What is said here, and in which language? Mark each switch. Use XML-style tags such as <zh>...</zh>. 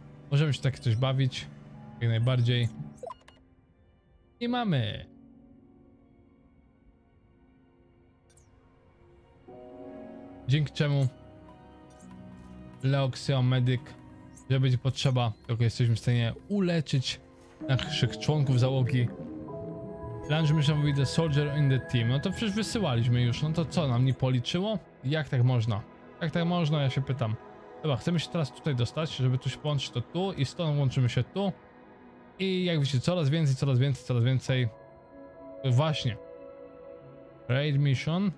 <pl>Możemy się tak coś bawić jak najbardziej. I mamy. Dzięki czemu Leoxio medyk, że będzie potrzeba, tylko jesteśmy w stanie uleczyć naszych członków załogi.</pl> <en>Launch mission with the soldier in the team.</en> <pl>No to przecież wysyłaliśmy już. No to co, nam nie policzyło? Jak tak można? Jak tak można, ja się pytam. Dobra, chcemy się teraz tutaj dostać, żeby tu się połączyć, to tu i stąd łączymy się tu. I jak widzicie, coraz więcej. To właśnie. Raid mission.</pl>